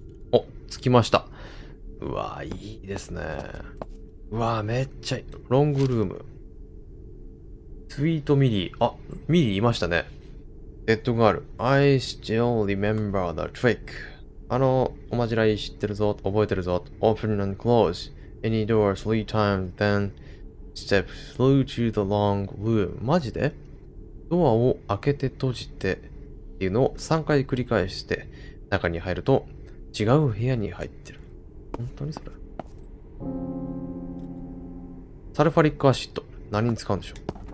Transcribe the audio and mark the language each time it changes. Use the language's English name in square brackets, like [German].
[Japanese] お、着きました。うわ、いいですね。うわめっちゃいい。ロングルーム。スイートミリー。あ、ミリーいましたね。デッドガール。 [English] I still remember the trick. [Japanese] あの、おまじない知ってるぞ、覚えてるぞ。 [English] Open and close any door three times, then step through to the long room. [Japanese] マジで？ドアを開けて閉じてっていうのを3回繰り返して中に入ると違う部屋に入ってる。本当にそれ？サルファリックアシッド。何に使うんでしょう？